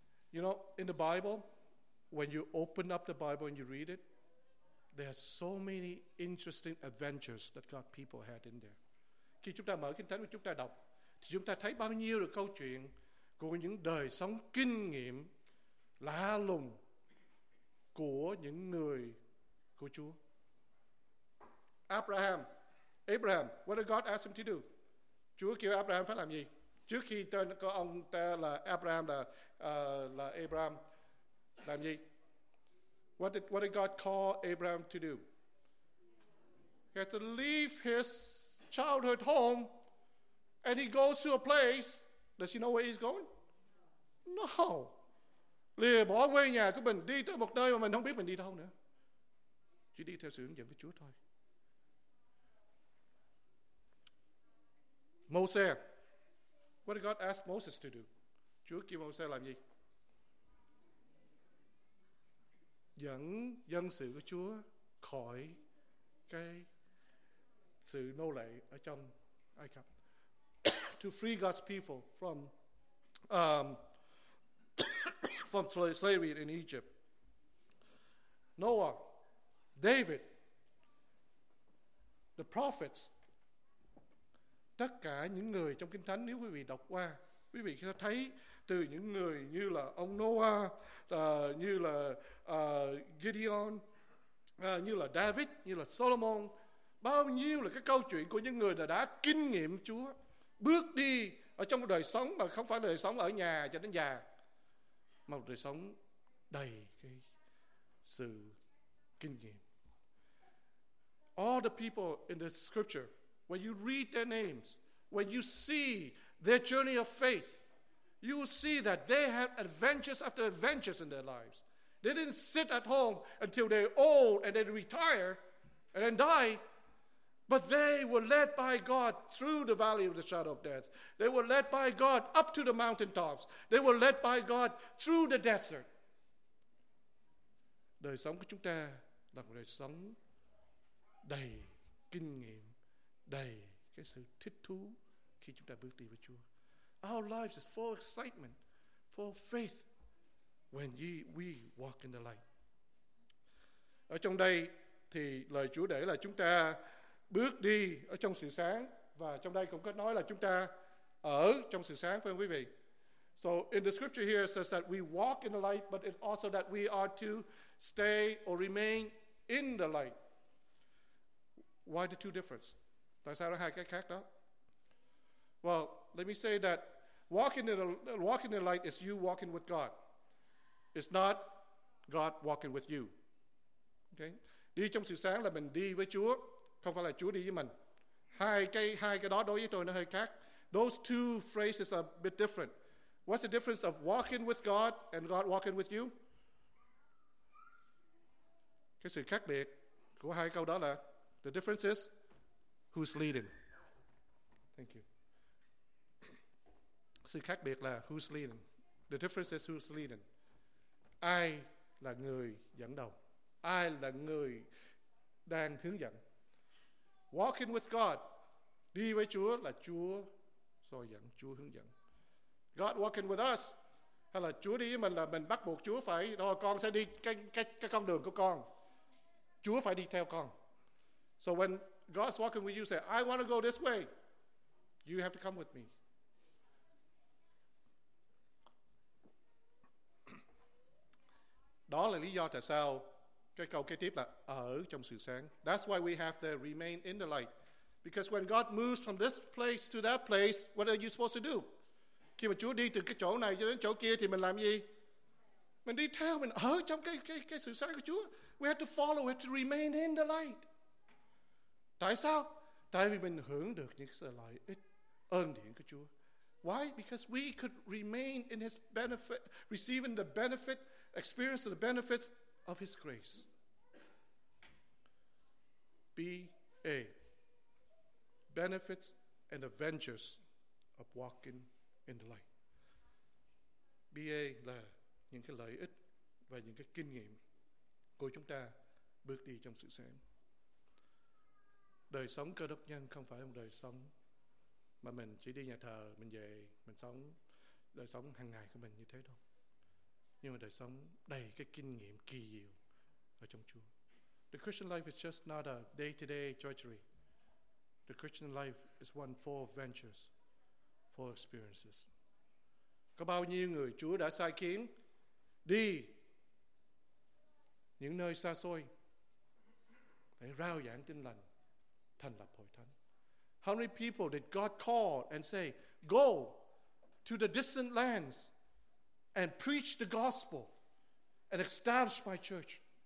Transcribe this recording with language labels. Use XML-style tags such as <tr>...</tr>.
<en>You know, in the Bible, when you open up the Bible and you read it, there are so many interesting adventures that God people had in there.</en> <vi>Khi chúng ta mở kinh thánh và chúng ta đọc, thì chúng ta thấy bao nhiêu được câu chuyện của những đời sống kinh nghiệm lạ lùng của những người của Chúa.</vi> <en>Abraham, what did God ask him to do?</en> <vi>Chúa kêu Abraham phải làm gì? Trước khi tên có ông ta là Abraham là Abraham làm gì?</vi> <en>What did God call Abraham to do? He had to leave his childhood home and he goes to a place. Does he know where he's going? No.</en> <vi>Lìa bỏ quê nhà của mình đi tới một nơi mà mình không biết mình đi đâu nữa. Chỉ đi theo sự hướng dẫn của Chúa thôi.</vi> <en>Moses. What did God ask Moses to do?</en> <vi>Chúa kêu Moses làm gì? Dẫn dân sự của Chúa khỏi cái sự nô lệ ở trong Ai Cập.</vi> <en>To free God's people from from slavery in Egypt. Noah, David, the prophets.</en> <vi>Tất cả những người trong Kinh Thánh, nếu quý vị đọc qua, quý vị sẽ thấy từ những người như là ông Noah, như là Gideon, như là David, như là Solomon, bao nhiêu là cái câu chuyện của những người đã kinh nghiệm Chúa, bước đi ở trong một đời sống mà không phải đời sống ở nhà cho đến già, mà một đời sống đầy cái sự kinh nghiệm.</vi> <en>All the people in the scripture, when you read their names, when you see their journey of faith, you will see that they have adventures after adventures in their lives. They didn't sit at home until they're old and they retire and then die. But they were led by God through the valley of the shadow of death. They were led by God up to the mountaintops. They were led by God through the desert.</en> <vi>Đời sống của chúng ta là một đời sống đầy kinh nghiệm, đầy cái sự thích thú khi chúng ta bước đi với Chúa.</vi> <en>Our lives is full of excitement, full of faith when we walk in the light.</en> <vi>Ở trong đây thì lời Chúa để là chúng ta bước đi ở trong sự sáng, và trong đây cũng có nói là chúng ta ở trong sự sáng, phải không quý vị?</vi> <en>So in the scripture here it says that we walk in the light, but it also that we are to stay or remain in the light. Why the two difference?</en> <vi>Tại sao hai cái khác đó?</vi> <en>Well, let me say that walking in the light is you walking with God. It's not God walking with you. Okay?</en> <vi>Đi trong sự sáng là mình đi với Chúa, không phải là Chúa đi với mình. Hai cái đó đối với tôi nó hơi khác.</vi> <en>Those two phrases are a bit different. What's the difference of walking with God and God walking with you?</en> <vi>Cái sự khác biệt của hai câu đó là</vi> <en>the difference is who's leading. Thank you.</en> <vi>Sự khác biệt là</vi> <en>who's leading. The difference is who's leading.</en> <vi>Ai là người dẫn đầu? Ai là người đang hướng dẫn?</vi> <en>Walking with God.</en> <vi>Đi với Chúa là Chúa soi dẫn, Chúa hướng dẫn.</vi> <en>God walking with us.</en> <vi>Hay là Chúa đi với mình là mình bắt buộc Chúa phải, rồi con sẽ đi cái con đường của con. Chúa phải đi theo con.</vi> <en>So when God's walking with you, say, I want to go this way. You have to come with me.</en> <vi>Đó là lý do tại sao cái câu kế tiếp là ở trong sự sáng.</vi> <en>That's why we have to remain in the light. Because when God moves from this place to that place, what are you supposed to do?</en> <vi>Khi mà Chúa đi từ cái chỗ này cho đến chỗ kia thì mình làm gì? Mình đi theo, mình ở trong cái sự sáng của Chúa.</vi> <en>We have to follow, we have to remain in the light.</en> <vi>Tại sao? Tại vì mình hưởng được những sự lợi ích, ơn điển của Chúa.</vi> <en>Why? Because we could remain in His benefit, receiving the benefit experience the benefits of His grace. B. A. Benefits and adventures of walking in the light. B. A.</en> <vi>là những cái lợi ích và những cái kinh nghiệm của chúng ta bước đi trong sự sáng. Đời sống cơ đốc nhân không phải một đời sống mà mình chỉ đi nhà thờ, mình về, mình sống đời sống hàng ngày của mình như thế thôi. Nhưng mà đời sống đầy cái kinh nghiệm kỳ diệu ở trong Chúa.</vi> <en>The Christian life is just not a day-to-day drudgery. The Christian life is one full of ventures, full of experiences.</en> <vi>Có bao nhiêu người Chúa đã sai khiến đi những nơi xa xôi để rao giảng tin lành, thành lập hội thánh.</vi> <en>How many people did God call and say, go to the distant lands and preach the gospel and establish my church?</en>